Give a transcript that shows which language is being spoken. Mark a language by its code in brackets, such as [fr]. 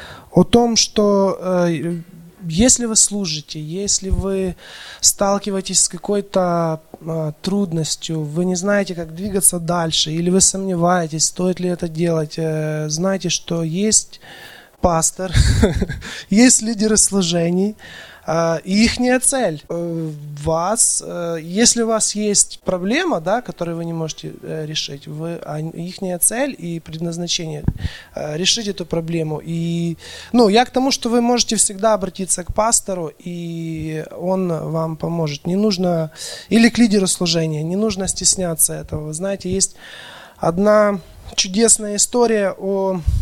[ru] о том, что если вы служите, если вы сталкиваетесь с какой-то трудностью, вы не знаете, как двигаться дальше, или вы сомневаетесь, стоит ли это делать, знайте, что есть пастор, есть лидеры служений, [uk] Їхня цель. Вас, якщо у вас є проблема, да, яку ви не можете рішити, їхня цель і предназначення рішити цю проблему. І, ну, [ru] я к тому, [uk] що ви можете завжди обратитися к пастору, і він вам поможе. [ru] Не нужно, или к лідеру служения, не нужно стесняться этого. Вы знаете, есть одна чудесная история о...